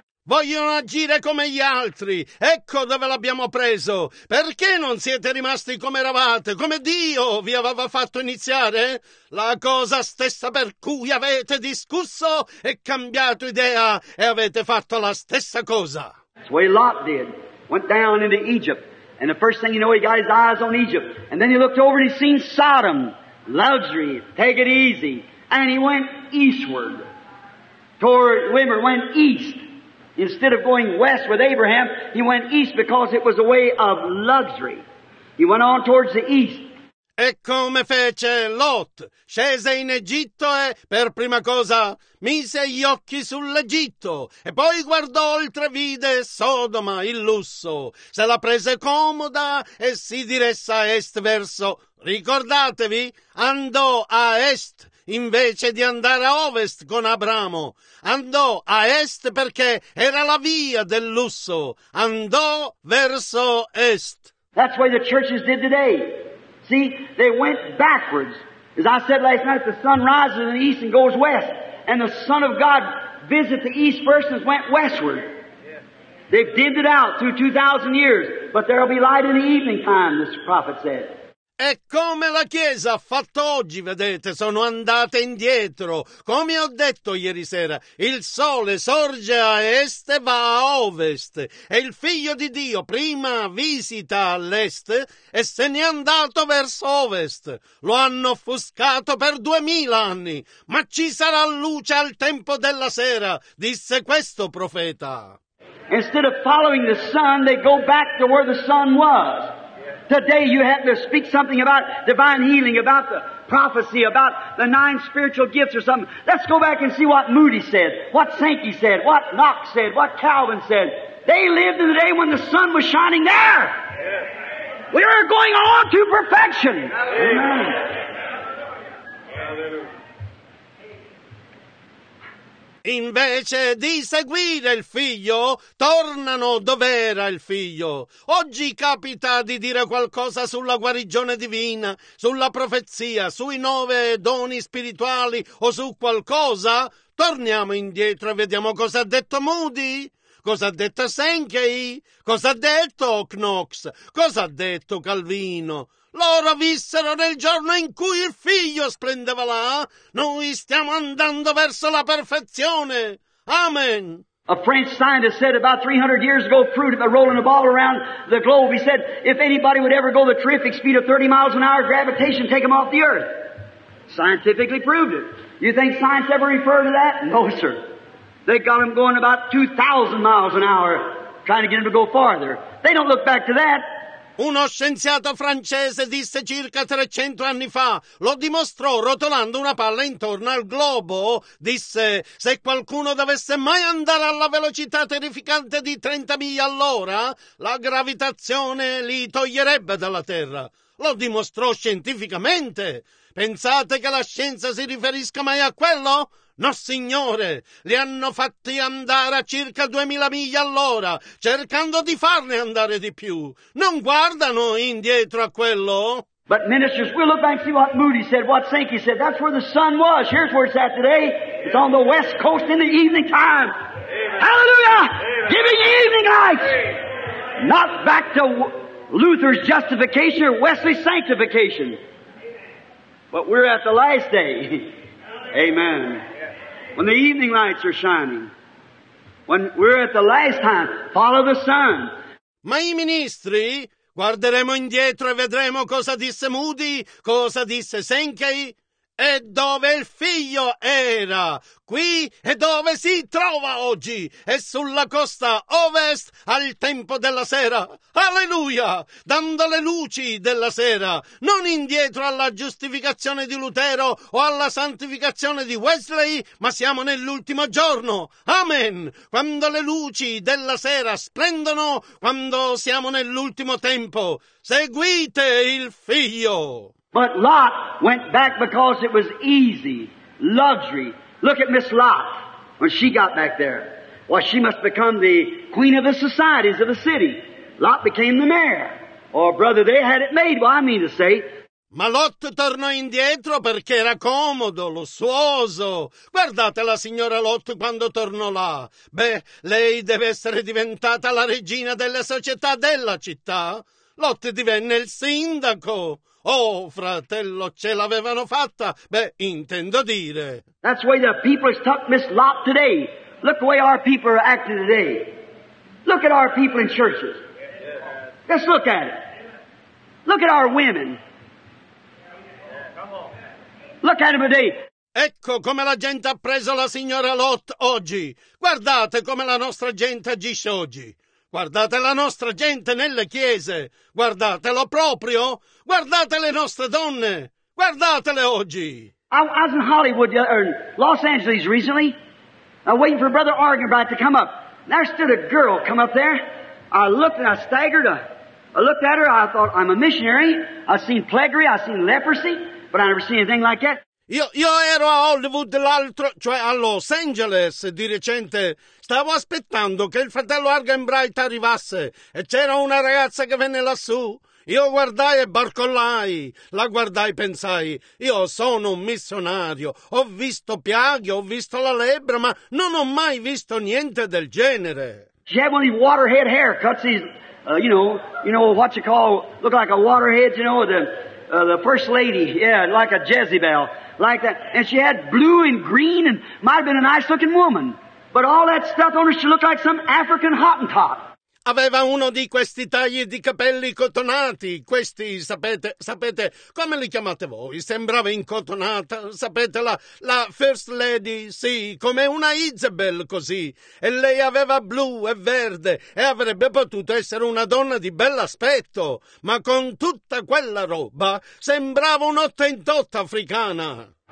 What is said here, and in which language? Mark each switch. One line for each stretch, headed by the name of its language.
Italian: Vogliono agire come gli altri. Ecco dove l'abbiamo preso. Perché non siete rimasti come eravate, come Dio vi aveva fatto iniziare? La cosa stessa per cui avete discusso e cambiato idea e avete fatto la stessa cosa.
English: That's the way Lot did. went down into Egypt. And the first thing you know, he got his eyes on Egypt. And then he looked over and he seen Sodom, luxury, take it easy. And he went eastward. Went east. Instead of going west with Abraham, he went east because it was a way of luxury. He went on towards the east.
Italian: E come fece Lot? Scese in Egitto e, per prima cosa, mise gli occhi sull'Egitto e poi guardò oltre, vide Sodoma, il lusso. Se la prese comoda e si diresse a est verso. Ricordatevi, andò a est invece di andare a ovest con Abramo. Andò a est perché era la via del lusso. Andò verso est.
English: That's why the churches did today. See, they went backwards. As I said last night, the sun rises in the east and goes west. And the Son of God visited the east first and went westward. They've dimmed it out through 2,000 years. But there will be light in the evening time, this prophet said.
Italian: E come la Chiesa ha fatto oggi, vedete, sono andate indietro. Come ho detto ieri sera, il sole sorge a est e va a ovest. E il Figlio di Dio prima visita all'est e se n'è andato verso ovest. Lo hanno offuscato per 2000 anni. Ma ci sarà luce al tempo della sera, disse questo profeta.
English: Instead of following the sun, they go back to where the sun was. Today you have to speak something about divine healing, about the prophecy, about the 9 spiritual gifts or something. Let's go back and see what Moody said, what Sankey said, what Knox said, what Calvin said. They lived in the day when the sun was shining there. Yes. We are going on to perfection. Amen. Amen.
Italian: Invece di seguire il figlio, tornano dov'era il figlio. Oggi capita di dire qualcosa sulla guarigione divina, sulla profezia, sui 9 doni spirituali o su qualcosa. Torniamo indietro e vediamo cosa ha detto Moody, cosa ha detto Sankey, cosa ha detto Knox, cosa ha detto Calvino. Loro vissero nel giorno in cui il figlio splendeva là. Noi stiamo andando verso la perfezione. Amen.
English: A French scientist said about 300 years ago, fruit had been rolling a ball around the globe. He said, if anybody would ever go the terrific speed of 30 miles an hour, gravitation take them off the earth. Scientifically proved it. You think science ever referred to that? No, sir. They got them going about 2,000 miles an hour, trying to get them to go farther. They don't look back to that.
Italian: Uno scienziato francese disse circa 300 anni fa, lo dimostrò rotolando una palla intorno al globo, disse, se qualcuno dovesse mai andare alla velocità terrificante di 30 miglia all'ora, la gravitazione li toglierebbe dalla Terra. Lo dimostrò scientificamente. Pensate che la scienza si riferisca mai a quello? No, signore, li hanno fatti andare a circa 2000 miglia all'ora, cercando di farne andare di più. Non guardano indietro a quello.
English: But ministers, we'll look back and see what Moody said, what Sankey said. That's where the sun was. Here's where it's at today. It's on the west coast in the evening time. Amen. Hallelujah! Amen. Giving you evening light! Amen. Not back to Luther's justification or Wesley's sanctification. But we're at the last day. Amen. When the evening lights are shining, when we're at the last time, follow the sun.
Italian: Ma i ministri, guarderemo indietro e vedremo cosa disse Moody, cosa disse Sankey, e dove il figlio era, qui e dove si trova oggi, e sulla costa ovest al tempo della sera. Alleluia! Dando le luci della sera, non indietro alla giustificazione di Lutero o alla santificazione di Wesley, ma siamo nell'ultimo giorno. Amen! Quando le luci della sera splendono, quando siamo nell'ultimo tempo, seguite il figlio!
English: But Lot went back because it was easy, luxury. Look at Miss Lot when she got back there. Well, she must become the queen of the societies of the city. Lot became the mayor. Or, brother, they had it made, well, I mean to say.
Italian: Ma Lot tornò indietro perché era comodo, lussuoso. Guardate la signora Lot quando tornò là. Beh, lei deve essere diventata la regina della società della città. Lot divenne il sindaco. Oh, fratello, ce l'avevano fatta. Beh, intendo dire.
English: That's why the people have stuck Miss Lot today. Look the way our people are acting today. Look at our people in churches. Let's look at it. Look at our women. Look at them today.
Italian: Ecco come la gente ha preso la signora Lot oggi. Guardate come la nostra gente agisce oggi. Guardate la nostra gente nelle chiese. Guardatelo proprio. Guardate le nostre donne. Guardatele oggi.
English: I was in Hollywood, or Los Angeles recently. I was waiting for Brother Argenbright to come up. And there stood a girl come up there. I looked and I staggered. I looked at her. I thought, I'm a missionary. I've seen plagiary. I've seen leprosy. But I never seen anything like that.
Italian: Io ero a Hollywood l'altro, cioè a Los Angeles di recente. Stavo aspettando che il fratello Argenbright arrivasse e c'era una ragazza che venne lassù. Io guardai e barcollai, la guardai e pensai, io sono un missionario, ho visto piaghe, ho visto la lebbra, ma non ho mai visto niente del genere.
English: She had one of these waterhead haircuts, these, you know what you call, look like a waterhead, you know, the first lady, yeah, like a Jezebel, like that. And she had blue and green and might have been a nice looking woman, but all that stuff on her, she looked like some African Hottentot.
Italian: Aveva uno di questi tagli di capelli cotonati, questi, sapete, come li chiamate voi? Sembrava incotonata, sapete, la First Lady, sì, come una Isabel, così. E lei aveva blu e verde e avrebbe potuto essere una donna di bell'aspetto, ma con tutta quella roba sembrava un'ottentotta africana.